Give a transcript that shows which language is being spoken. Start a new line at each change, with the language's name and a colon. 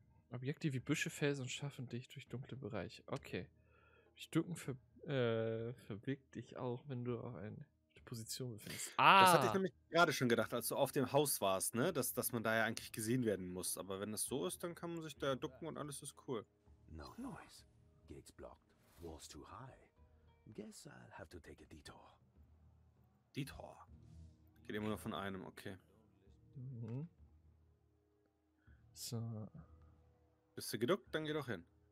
German: Objekte wie Büsche, Felsen schaffen dich durch dunkle Bereiche. Okay. Dich ducken verbirgt dich auch, wenn du auf ein... Position befindest. Ah. Das hatte ich nämlich gerade schon gedacht, als du auf dem Haus warst, ne? Dass man da ja eigentlich gesehen werden muss. Aber wenn das so ist, dann kann man sich da ducken und alles ist cool.
English: No noise. Gates blocked. Walls too high. Guess I'll have to take a detour. Detour.
German: Geht immer nur von einem, okay. Mhm. So. Bist du geduckt? Dann geh doch hin.